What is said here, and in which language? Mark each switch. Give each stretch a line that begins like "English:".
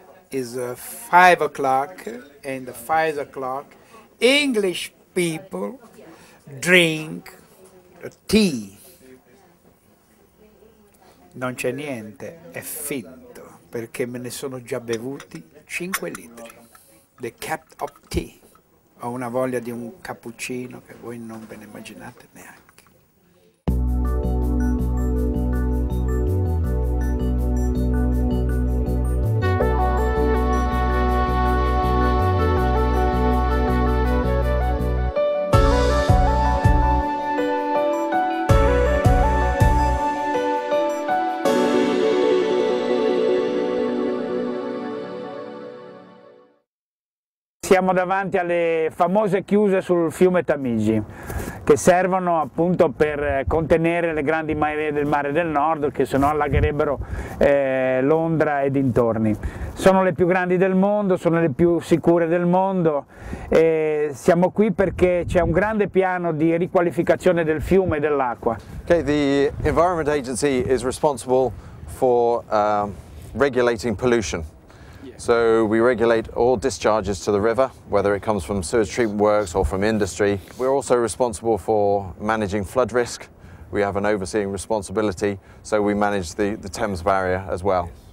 English: It's 5 o'clock, and at 5 o'clock, English people drink the tea.
Italian: Non c'è niente, è finto, perché me ne sono già bevuti 5 litri.
English: The cup of tea.
Italian: Ho una voglia di un cappuccino che voi non ve ne immaginate neanche. Siamo davanti alle famose chiuse sul fiume Tamigi. che servono appunto per contenere le grandi maree del Mare del Nord, che sennò allagherebbero Londra e dintorni. Sono le più grandi del mondo, sono le più sicure del mondo e siamo qui perché c'è un grande piano di riqualificazione del fiume e dell'acqua.
English: Okay, the Environment Agency is responsible for regulating pollution. So we regulate all discharges to the river, whether it comes from sewage treatment works or from industry. We're also responsible for managing flood risk. We have an overseeing responsibility, so we manage the Thames barrier as well.